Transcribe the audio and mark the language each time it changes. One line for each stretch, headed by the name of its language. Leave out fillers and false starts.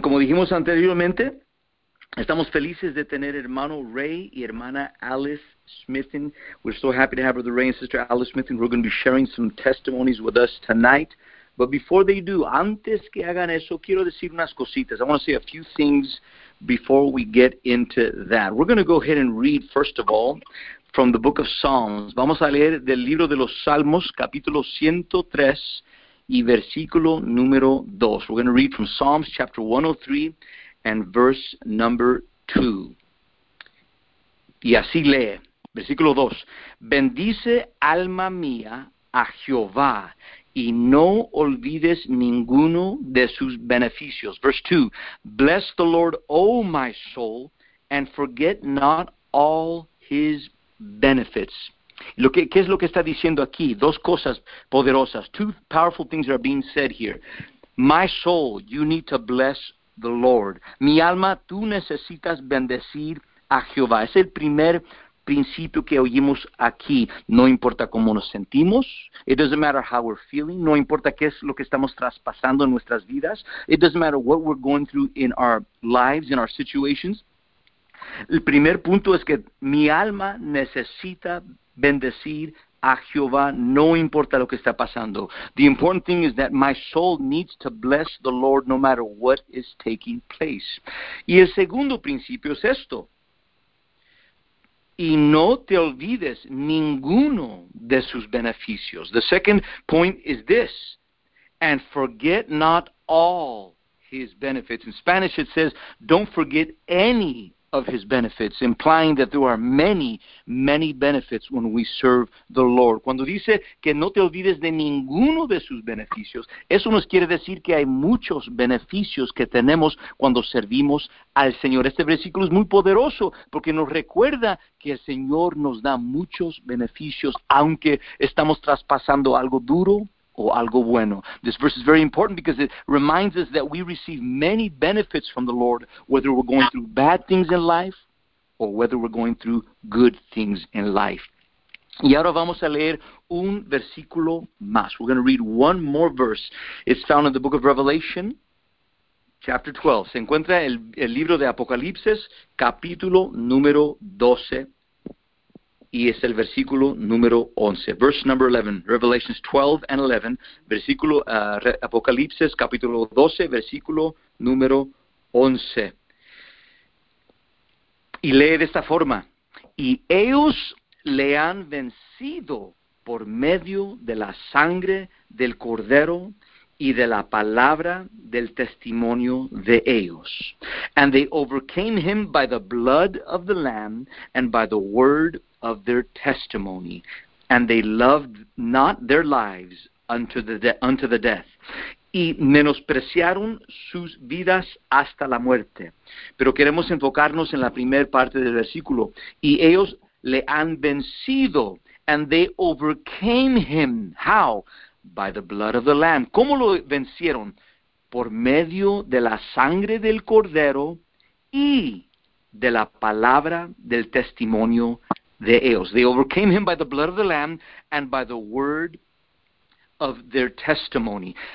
Spanish: Como dijimos anteriormente, estamos felices de tener hermano Ray y hermana Alice Smithin.
English: We're so happy to have Brother Ray and Sister Alice Smithin. We're going to be sharing some testimonies with us tonight. But before they do,
Spanish: antes que hagan eso, quiero decir unas cositas.
English: I want to say a few things before we get into that. We're going to go ahead and read, first of all, from the book of Psalms.
Spanish: Vamos a leer del libro de los Salmos, capítulo 103. Y versículo número 2.
English: We're going to read from Psalms chapter 103 and verse number 2.
Spanish: Y así lee, versículo 2. Bendice alma mía a Jehová y no olvides ninguno de sus beneficios.
English: Verse 2. Bless the Lord, O my soul, and forget not all his benefits.
Spanish: ¿Qué es lo que está diciendo aquí? Dos cosas poderosas.
English: Two powerful things are being said here. My soul, you need to bless the Lord.
Spanish: Mi alma, tú necesitas bendecir a Jehová. Es el primer principio que oímos aquí. No importa cómo nos sentimos.
English: It doesn't matter how we're feeling.
Spanish: No importa qué es lo que estamos traspasando en nuestras vidas.
English: It doesn't matter what we're going through in our lives, in our situations.
Spanish: El primer punto es que mi alma necesita bendecir a Jehová, no importa lo que está pasando.
English: The important thing is that my soul needs to bless the Lord no matter what is taking place.
Spanish: Y el segundo principio es esto. Y no te olvides ninguno de sus beneficios.
English: The second point is this. And forget not all his benefits. In Spanish it says, don't forget any of his benefits, implying that there are many, many benefits when we serve the Lord.
Spanish: Cuando dice que no te olvides de ninguno de sus beneficios, eso nos quiere decir que hay muchos beneficios que tenemos cuando servimos al Señor. Este versículo es muy poderoso porque nos recuerda que el Señor nos da muchos beneficios aunque estamos traspasando algo duro o algo bueno.
English: This verse is very important because it reminds us that we receive many benefits from the Lord, whether we're going through bad things in life or whether we're going through good things in life.
Spanish: Y ahora vamos a leer un versículo más.
English: We're going to read one more verse. It's found in the book of Revelation, chapter 12.
Spanish: Se encuentra el libro de Apocalipsis, capítulo número 12. Y es el versículo número 11.
English: Verse number 11. Revelations 12 and 11.
Spanish: Versículo Apocalipsis, capítulo 12, versículo número 11. Y lee de esta forma. Y ellos le han vencido por medio de la sangre del Cordero y de la palabra del testimonio de ellos.
English: And they overcame him by the blood of the Lamb and by the word of their testimony, and they loved not their lives unto the death,
Spanish: y menospreciaron sus vidas hasta la muerte. Pero queremos enfocarnos en la primera parte del versículo. Y ellos le han vencido,
English: and they overcame him. How? By the blood of the Lamb.
Spanish: ¿Cómo lo vencieron? Por medio de la sangre del Cordero y de la palabra del testimonio de ellos.
English: They overcame him by the blood of the Lamb and by the word of their testimony.